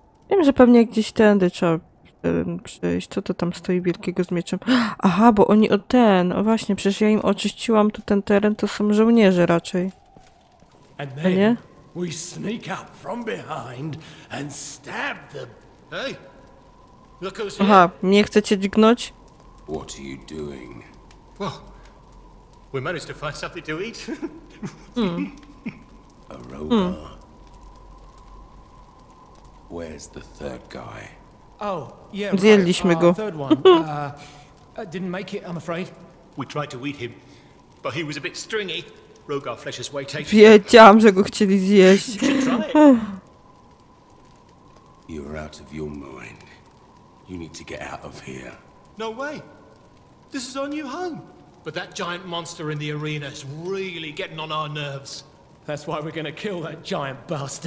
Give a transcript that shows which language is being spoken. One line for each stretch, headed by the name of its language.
Polish: Wiem, że pewnie gdzieś tędy trzeba przejść. Co to tam stoi wielkiego z mieczem? Aha, bo oni o ten. O właśnie, przecież ja im oczyściłam tu ten teren, to są żołnierze raczej. A nie?
English: We sneak up from behind and stab them. Hey, look who's here.
Polish: Aha, nie chcecie dźgnąć?
English: What are you doing? Well, we managed to find something to eat. A robot. Where's the third guy? Oh, yeah,
Polish: zjedliśmy go.
English: Third one. Didn't make it, I'm afraid. We tried to eat him, but he was a bit stringy. Rogar flesh is way tasty.
Polish: Wiedziałam, że go chcieli zjeść.
English: You're out of your mind. You need to get out of here. No way. This is our new home. But that giant monster in the arena is really getting on our nerves. That's why we're gonna kill that giant bastard.